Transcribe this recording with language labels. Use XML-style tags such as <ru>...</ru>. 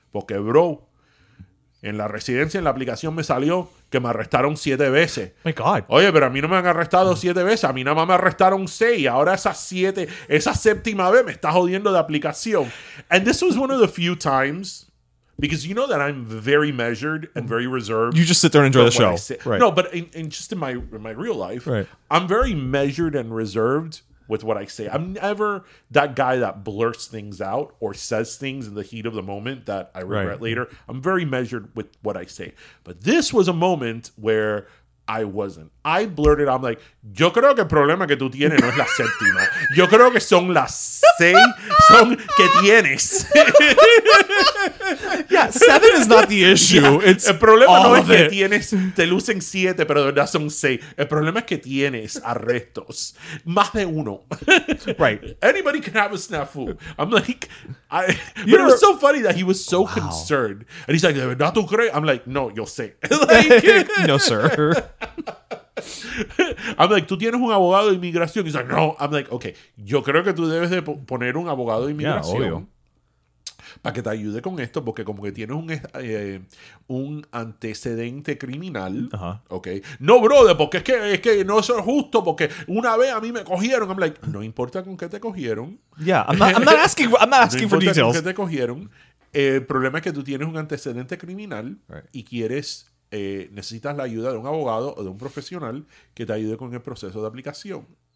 <es>Porque, bro, en la residencia, en la aplicación me salió que me arrestaron 7 veces.</es> <en>My God.</en> <es>Oye, pero a mí no me han arrestado 7 veces. A mí nada más me arrestaron 6. Ahora esa séptima vez me está jodiendo de aplicación.</es> <en>And this was one of the few times, because you know that I'm very measured and very reserved. You just sit there and enjoy the show. Right. No, but in my real life, right, I'm very measured and reserved with what I say. I'm never that guy that blurts things out or says things in the heat of the moment that I regret later. I'm very measured with what I say. But this was a moment where I wasn't. I blurted, I'm like,</en> <es>yo creo que el problema que tú tienes no es la séptima. Yo creo que son las seis son que tienes.</es> <en>Yeah, 7 is not the issue. Yeah. It's</en> <es>el problema no es que tienes, te lucen 7, pero de verdad son 6. El problema es que tienes arrestos. Más de uno.</es> <en>Right. Anybody can have a snafu. I'm like, but it was so funny that he was so concerned. And he's like,</en> <es>¿de verdad tú crees?</es> <en>I'm like,</en> <es>no, yo sé.</es> <en>Like, no, sir. I'm like,</en> <es>¿tú tienes un abogado de inmigración?</es> <en>He's like,</en> <es>no.</es> <en>I'm like, okay,</en> <es>yo creo que tú debes de poner un abogado de inmigración.</es> <en>Yeah,</en> <es>obvio. Para que te ayude con esto, porque como que tienes un antecedente criminal. Ajá.</es> <en>Okay.</en> <es>No, brother, porque es que no es justo, porque una vez a mí me cogieron.</es> <en>I'm like,</en> <es>no importa con qué te cogieron.</es> <en>Yeah, I'm not asking no for details.</en> <es>No importa con qué te cogieron. El problema es que tú tienes un antecedente criminal y quieres, necesitas la ayuda de un abogado o de un profesional que te ayude con el proceso de aplicación.</es>